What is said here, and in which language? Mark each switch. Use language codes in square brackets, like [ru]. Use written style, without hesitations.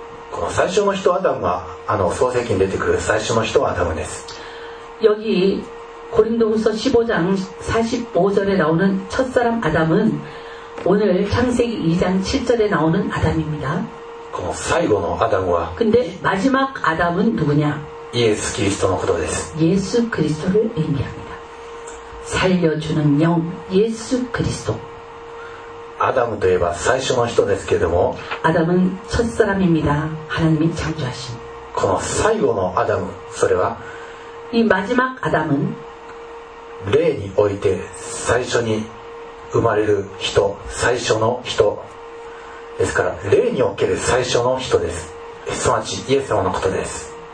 [ja] この最初の人アダムはあの創世記に出てくる最初の人アダムです [ko] 여기고린도후서15장45절에나오는첫사람아담은오늘창세기2장7절에나오는아담입니다 [ja] この最後のアダムは [ko] 근데마지막아담은누구냐 [ja] イエス・キリストのことです [ko] 예수그리스도를의미합니다살려주는영예수그리스도 아담은 [ja] といえば最初の人ですけれども [ko] 아담은첫사람입니다하나님이창조하신 [ja] この最後のアダムそれは [ko] 이마지막아담은 [ja] 霊において最初に生まれる人最初の人ですから霊における最初の人ですすなわちイエス様のことです